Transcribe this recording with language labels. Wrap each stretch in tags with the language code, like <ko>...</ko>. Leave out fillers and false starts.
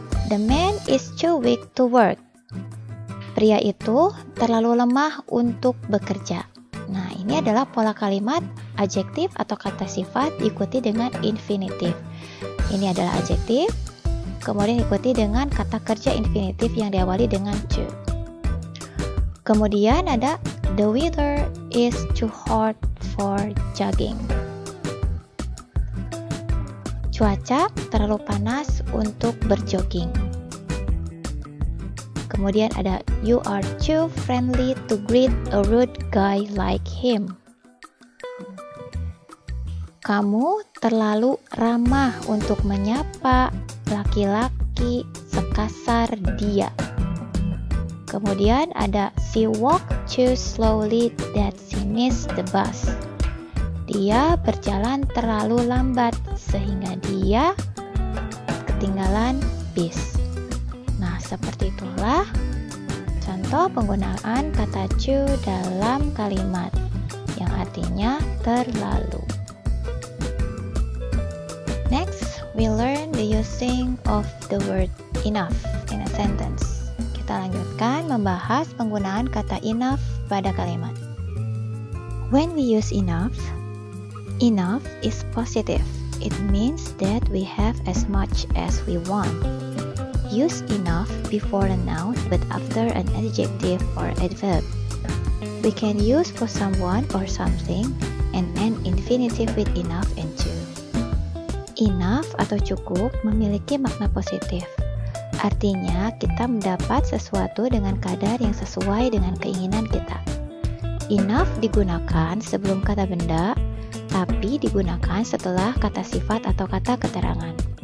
<en>The man is too weak to work.</en> <id>Pria itu terlalu lemah untuk bekerja. Nah, ini adalah pola kalimat adjektif atau kata sifat diikuti dengan infinitif. Ini adalah adjektif, kemudian diikuti dengan kata kerja infinitif yang diawali dengan to. Kemudian ada</id> <en>the weather is too hot for jogging.</en> <id>Cuaca terlalu panas untuk berjoging. Kemudian ada</id> <en>you are too friendly to greet a rude guy like him.</en> <id>Kamu terlalu ramah untuk menyapa laki-laki sekasar dia. Kemudian ada</id> <en>she walked too slowly that she missed the bus.</en> <id>Dia berjalan terlalu lambat sehingga dia ketinggalan bis. Nah, seperti itulah contoh penggunaan kata to dalam kalimat yang artinya terlalu.</id> <en>Next, we learn the using of the word enough in a sentence.</en> <id>Kita lanjutkan membahas penggunaan kata enough pada kalimat.</id> <en>When we use enough is positive. It means that we have as much as we want. Use enough before a noun but after an adjective or adverb. We can use for someone or something and an infinitive with enough and to.</en> <id>Enough atau cukup memiliki makna positif. Artinya, kita mendapat sesuatu dengan kadar yang sesuai dengan keinginan kita. Enough digunakan sebelum kata benda, tapi digunakan setelah kata sifat atau kata keterangan.</id>